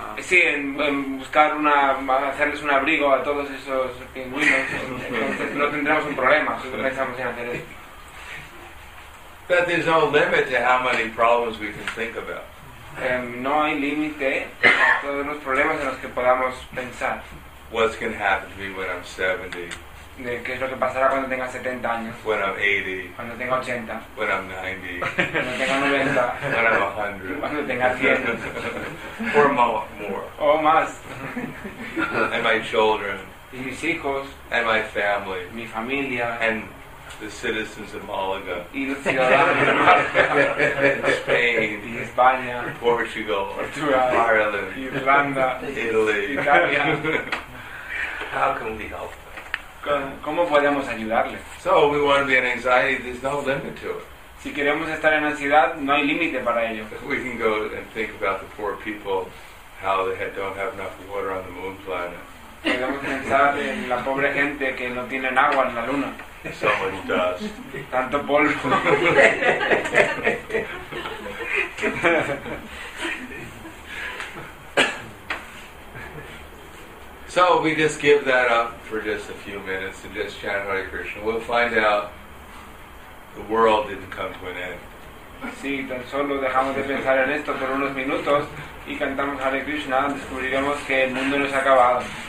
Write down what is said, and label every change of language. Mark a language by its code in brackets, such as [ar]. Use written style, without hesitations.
[es] En buscar una, hacerles un abrigo a todos esos pingüinos, no tendremos un problema si pensamos en hacer eso. [en] That there's no limit to how many problems we can think about. [es] No hay límite a todos los problemas en los que podamos pensar. [en] What's going to happen to me when I'm 70? [es] de qué es lo que pasará cuando tenga 70 años. [en] When I'm 80. [es] Cuando tenga 80. [en] When I'm 90. [es] Cuando tenga 90. [en] When I'm 100. [es] Cuando tenga 100. [en] Or more. [es] O más. [en] And my children. [es] Y mis hijos. [en] And my family. [es] Mi familia. [en] And the citizens of Malaga. [es] Y los ciudadanos de Malaga. [en] Spain. [es] Y España. [en] Portugal. [es] Portugal. [en] Ireland. [es] Irlanda. [en] Italy. [es] Italia. [en] How can we help? [es] ¿Cómo podemos ayudarle? [en] So we want to be in anxiety, there's no limit to it. [es] Si queremos estar en ansiedad, no hay límite para ello. [en] We can go and think about the poor people, how they don't have enough water on the moon planet. [es] Podemos pensar en la pobre gente que no tienen agua en la luna. [en] So much dust. [es] Tanto polvo. [en] So we just give that up for just a few minutes and just chant Hare Krishna. We'll find out the world didn't come to an end. [es] Sí, tan solo dejamos de pensar en esto por unos minutos y cantamos Hare Krishna, descubriremos que el mundo no se ha acabado.